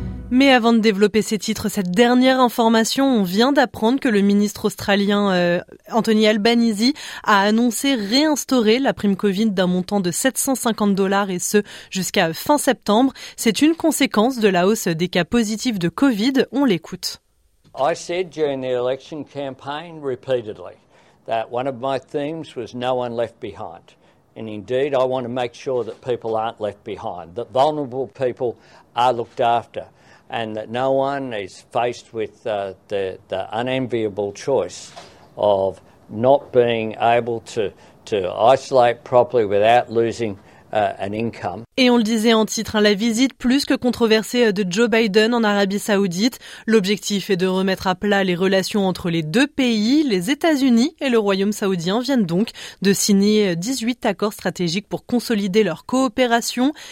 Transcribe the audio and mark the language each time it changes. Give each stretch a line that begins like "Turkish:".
French: Mais avant de développer ces titres, cette dernière information, on vient d'apprendre que le ministre australien Anthony Albanese a annoncé réinstaurer la prime Covid d'un montant de $750 et ce jusqu'à fin septembre. C'est une conséquence de la hausse des cas positifs de Covid. On l'écoute.
English: I said during the election campaign repeatedly that one of my themes was no one left behind. And indeed, I want to make sure that people aren't left behind, that vulnerable people are looked after. And that no one is faced with the unenviable choice of not being able to isolate properly without losing an income.
French: Et on le disait en titre, la visite plus que controversée de Joe Biden en Arabie Saoudite. L'objectif est de remettre à plat les relations entre les deux pays. Les États-Unis et le Royaume saoudien viennent donc de signer 18 accords stratégiques pour consolider leur coopération.